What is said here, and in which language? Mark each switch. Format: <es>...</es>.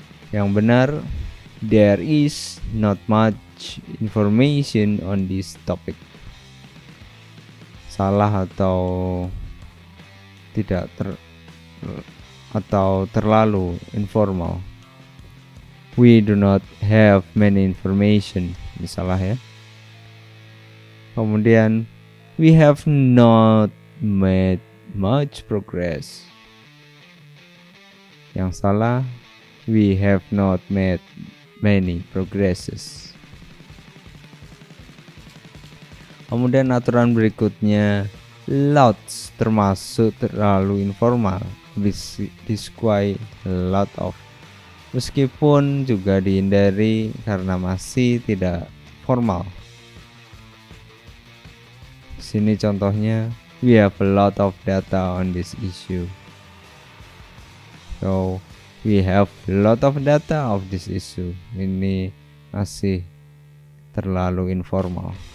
<id>Yang benar,</id> <en>there is not much information on this topic.</en> <id>Salah atau tidak atau terlalu informal.</id> <en>We do not have many information,</en> <id>misalnya ya. Kemudian,</id> <en>we have not made much progress.</en> <id>Yang salah,</id> <en>we have not made many progresses.</en> <id>Kemudian aturan berikutnya, lots termasuk terlalu informal. Disquite lot of, meskipun juga dihindari karena masih tidak formal. Sini contohnya,</id> <en>we have a lot of data on this issue. So we have a lot of data of this issue.</en> <id>Ini masih terlalu informal.</id>